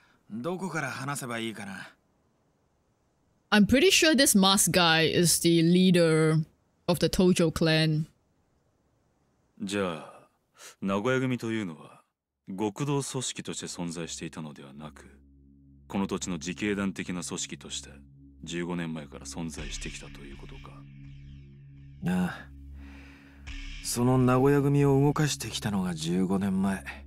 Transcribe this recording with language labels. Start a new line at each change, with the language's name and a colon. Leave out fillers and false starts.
Japanese: どこから話せばいいかな。
English: I'm pretty sure this mask guy is the leader of the Tojo clan.
Japanese: じゃあ、名古屋組というのは極道組織として存在していたのではなく、この土地の自警団的な組織として15年前から存在してきたということか。ああ、その名古屋組を動かしてきたのが15年前。